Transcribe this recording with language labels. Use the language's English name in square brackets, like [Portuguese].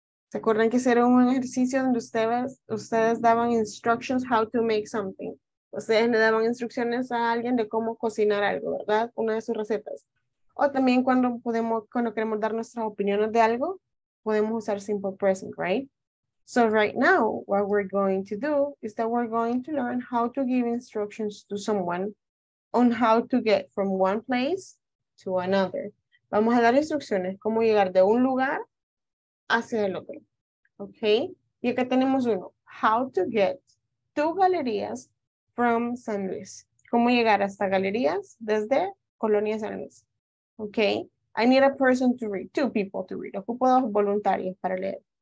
[Spanish] ¿Se acuerdan que hicieron un ejercicio donde ustedes daban [English] instructions how to make something? [Spanish] Ustedes le daban instrucciones a alguien de cómo cocinar algo, ¿verdad? Una de sus recetas. O también cuando queremos dar nuestras opiniones de algo, podemos usar simple present, right? [English] So right now, what we're going to do is that we're going to learn how to give instructions to someone on how to get from one place to another. [Spanish] Vamos a dar instrucciones cómo llegar de un lugar hacia el otro. Okay? Y acá tenemos uno. [English] How to get to galerías from San Luis. [Spanish] Cómo llegar hasta galerías desde Colonia San Luis. [English] Okay? I need a person to read. Two people to read. [Spanish] Ocupo dos voluntarios para leer.